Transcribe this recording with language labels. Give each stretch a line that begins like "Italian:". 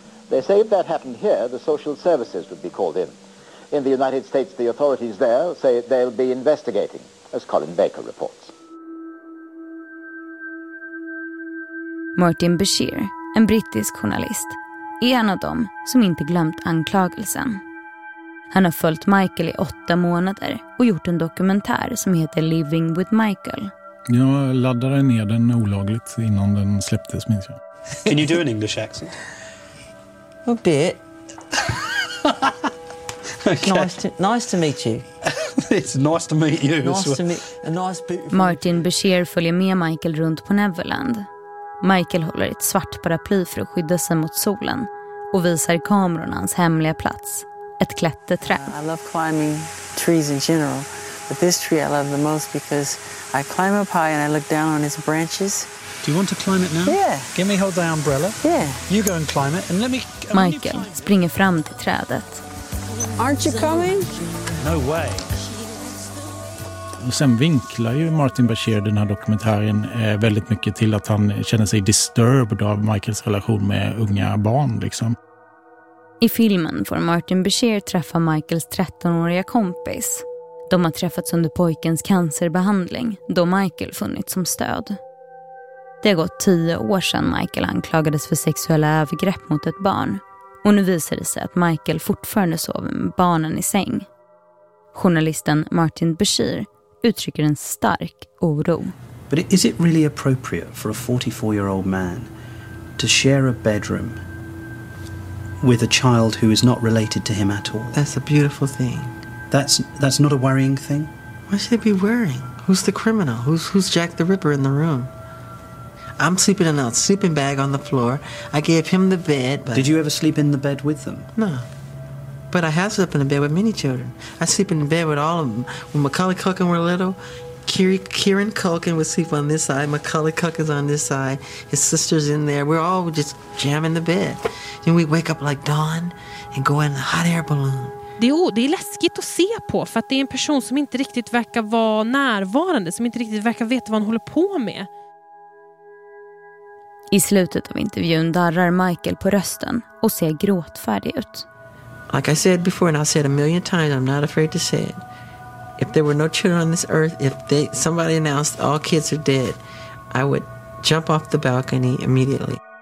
English: They say if that happened here, the social services would be called in. In the United States, the authorities there say they'll be investigating, as Colin Baker reports.
Swedish: Martin Bashir, en brittisk journalist, är en av dem som inte glömt anklagelsen. Han har följt Michael i 8 månader och gjort en dokumentär som heter Living with Michael. Jag laddade ner den olagligt innan den släpptes, minns jag.
English: Can you do an English accent? A bit. Okay. Nice to meet you. It's nice to meet you.
Swedish: Martin Bashir följer med Michael runt på Neverland. Michael håller ett svart paraply för att skydda sig mot solen och visar kamerorna hans hemliga plats. Ett klätterträd.
English: I love climbing trees in general, but this tree I love the most because I climb up high and I look down on its branches. Do you want to climb it now? Yeah. Give me hold the umbrella. Yeah. You go and climb it and let me.
Swedish: Michael springer fram till trädet.
English: Aren't you coming? No way.
Swedish: Och sen vinklar ju Martin Bashir den här dokumentären väldigt mycket till att han känner sig disturbed av Michaels relation med unga barn liksom. I filmen får Martin Bashir träffa Michaels 13-åriga kompis. De har träffats under pojkens cancerbehandling, då Michael funnits som stöd. Det har gått 10 år sedan Michael anklagades för sexuella övergrepp mot ett barn. Och nu visar det sig att Michael fortfarande sover med barnen i säng. Journalisten Martin Bashir uttrycker en stark oro.
English: But is it really appropriate for a 44-year-old man to share a bedroom with a child who is not related to him at all? That's a beautiful thing. That's not a worrying thing? Why should it be worrying? Who's the criminal? Who's Jack the Ripper in the room? I'm sleeping in a sleeping bag on the floor. I gave him the bed, but... Did you ever sleep in the bed with them? No. But I have slept in a bed with many children. I sleep in bed with all of them. When Macaulay Culkin were little, Kieran Culkin would sleep on this side. Macaulay Culkin's on this side. His sister's in there. We're all just jamming the bed. And we wake up like dawn and go in a hot air balloon.
Swedish: Det är läskigt att se på, för att det är en person som inte riktigt verkar vara närvarande, som inte riktigt verkar veta vad han håller på med. I slutet av intervjun darrar Michael på rösten och ser gråtfärdig ut.
English: Like I said before and I've said a million times, I'm not afraid to say it. If there were no children on this earth, if somebody announced all kids are dead, I would jump off the balcony immediately.